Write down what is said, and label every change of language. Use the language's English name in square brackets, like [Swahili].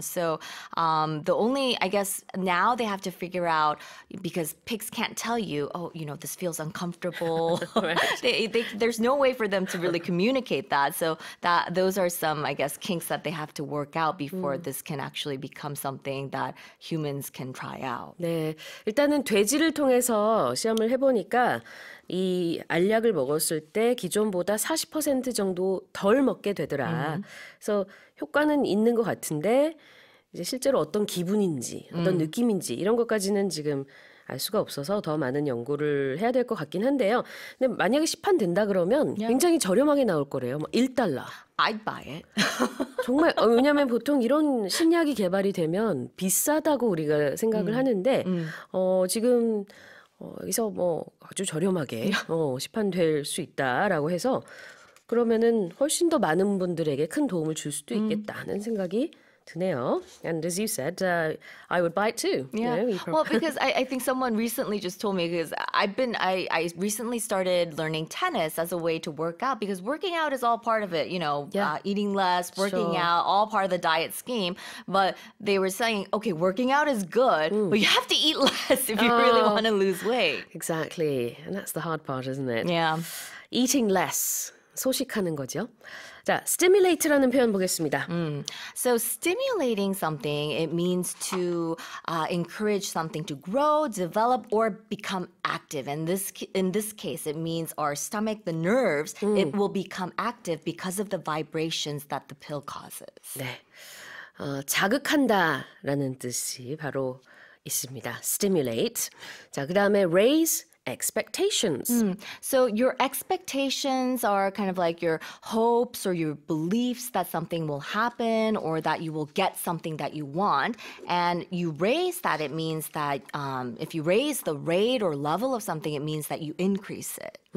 [English] So the only, I guess, now they have to figure out, because pigs can't tell you, oh, you know, this feels uncomfortable. there's no way for them to really communicate that. So that those are some, I guess, kinks that they have to work out before this can actually become something that humans can try out. [Korean] 네, 일단은 돼지를 통해서 시험을 해보니까 이 알약을 먹었을 때 기존보다 40% 정도 덜 먹게 되더라. 그래서 효과는 있는 것 같은데 이제 실제로 어떤 기분인지 어떤 느낌인지 이런 것까지는 지금 알 수가 없어서 더 많은 연구를 해야 될 것 같긴 한데요. 근데 만약에 시판 된다 그러면 굉장히 저렴하게 나올 거래요. 뭐 $1. [English] I'd buy it. [Korean] 정말 왜냐하면 보통 이런 신약이 개발이 되면 비싸다고 우리가 생각을 하는데 지금 여기서 뭐 아주 저렴하게 시판될 수 있다라고 해서 그러면은 훨씬 더 많은 분들에게 큰 도움을 줄 수도 있겠다는 생각이 드네요. [English] And as you said, I would buy it too. Yeah. You know, you well, because I think someone recently just told me, because I've been, I recently started learning tennis as a way to work out, because working out is all part of it, you know, eating less, working out, all part of the diet scheme. But they were saying, okay, working out is good, but you have to eat less if you really want to lose weight. Exactly. And that's the hard part, isn't it? Yeah. Eating less. [Korean] 소식하는 거죠. 자, stimulate라는 표현 보겠습니다. [English] So stimulating something, it means to encourage something to grow, develop, or become active. And in this case, it means our stomach, the nerves, it will become active because of the vibrations that the pill causes. [Korean] 네, 자극한다라는 뜻이 바로 있습니다. Stimulate. 자, 그다음에 raise. Expectations. [English] So your expectations are kind of like your hopes or your beliefs that something will happen or that you will get something that you want. And you raise that, it means that if you raise the rate or level of something, it means that you increase it.